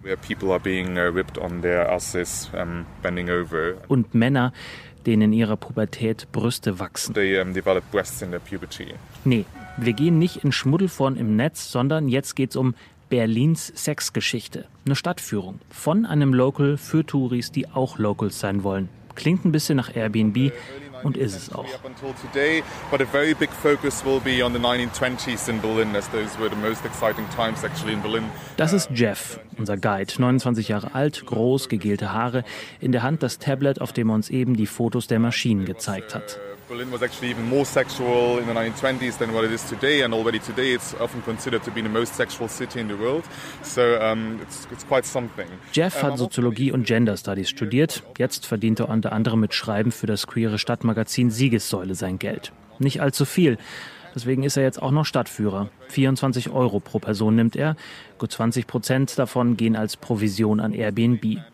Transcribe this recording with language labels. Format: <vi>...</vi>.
<en>where people are being ripped on their asses, bending over.</en> <de>Und Männer, denen in ihrer Pubertät Brüste wachsen.</de> <en>They, develop breasts in their puberty.</en> <de>Nee, wir gehen nicht in Schmuddelforen im Netz, sondern jetzt geht's um Berlins Sexgeschichte. Eine Stadtführung von einem Local für Touris, die auch Locals sein wollen. Klingt ein bisschen nach Airbnb und ist es auch.</de> <en>But a very big focus will be on the 1920s in Berlin, as those were the most exciting times actually in Berlin.</en> <de>Das ist Jeff, unser Guide, 29 Jahre alt, groß, gegelte Haare, in der Hand das Tablet, auf dem er uns eben die Fotos der Maschinen gezeigt hat.</de> <en>Berlin was actually even more sexual in the 1920s than what it is today, and already today it's often considered to be the most sexual city in the world. So it's quite something.</en> <de>Jeff hat Soziologie und Gender Studies studiert. Jetzt verdient er unter anderem mit Schreiben für das queere Stadtmagazin Siegessäule sein Geld. Nicht allzu viel. Deswegen ist er jetzt auch noch Stadtführer. 24 Euro pro Person nimmt er. Gut 20% davon gehen als Provision an Airbnb.</de>